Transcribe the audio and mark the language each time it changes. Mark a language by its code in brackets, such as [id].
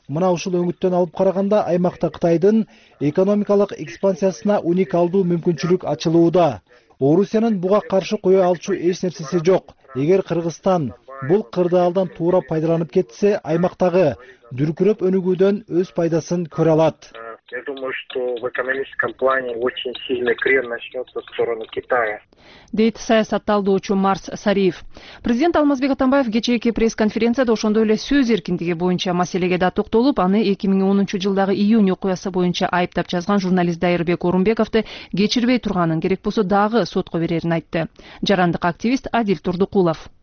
[ky] Мына ушул өңүттөн алып караганда аймакта Кытайдын экономикалык экспансиясына уникалдуу мүмкүнчүлүк ачылууда. Орусиянын буга каршы кое алчу эч нерсеси жок. Эгер Кыргызстан бул кырдаалдан туура пайдаланып кетсе, аймактагы дүркүрөп өнүгүүдөн өз пайдасын көрө алат. [ru] Я думаю, что в экономическом плане очень сильный крен начнется в сторону Китая. [ky] Дейт саясат талдоочу Марс Сариев. Президент Алмазбек Атамбаев кечээки пресс-конференцияда ошондой эле сөз эркиндиги боюнча маселеге да токтолуп, аны 2010 жылдагы июнь окуясы боюнча айыптап жазган журналист Дайырбек Орунбековду кечирбей турганын, керек болсо дагы сотко берерин айтты. Жарандык активист Адил Турдукулов.